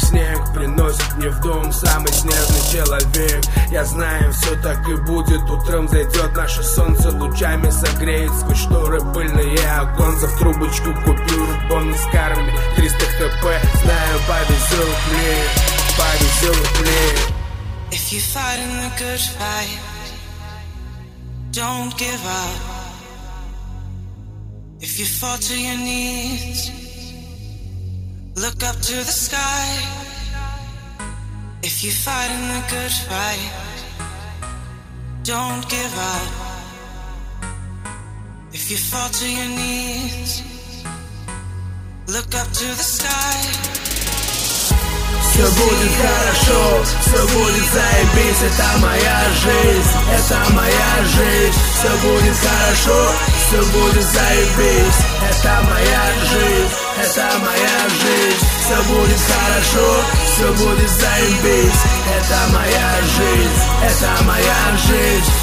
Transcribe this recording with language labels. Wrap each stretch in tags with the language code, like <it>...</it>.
<ru>Снег приносит мне в дом самый снежный человек. Я знаю, все так и будет, утром зайдет. Наше солнце лучами согреет сквозь шторы пыльные оконца. В трубочку купюру бонус карме 300 хп. Знаю, повезет мне, повезет мне.</ru> <en>If you fight in the good fight, don't give up. If you fall to your knees, look up to the sky. If you fight in the good fight, don't give up. If you fall to your knees, look up to the sky.</en> <ru>Все будет хорошо, все будет заебись, это моя жизнь, это моя жизнь. Все будет хорошо, все будет заебись, это моя жизнь, это моя жизнь. Все будет хорошо, все будет заебись, это моя жизнь, это моя жизнь.</ru>